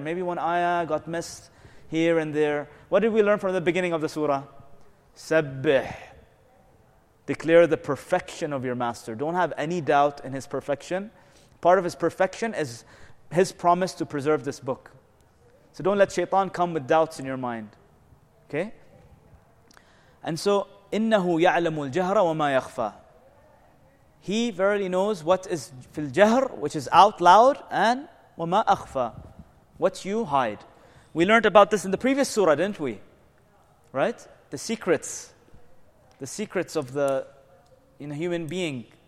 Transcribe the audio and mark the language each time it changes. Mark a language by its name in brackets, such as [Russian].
[English] Maybe one ayah got missed here and there. What did we learn from the beginning of the surah? Sabbih. Declare the perfection of your master. Don't have any doubt in his perfection. Part of his perfection is his promise to preserve this book. So don't let shaitan come with doubts in your mind. Okay? And so, [Arabic] إِنَّهُ يَعْلَمُ الْجَهْرَ وَمَا يَخْفَى. [English] He verily knows what is fil jahr, which is out loud, and wama akhfa, what you hide. We learned about this in the previous surah, didn't we? Right? The secrets of the human being.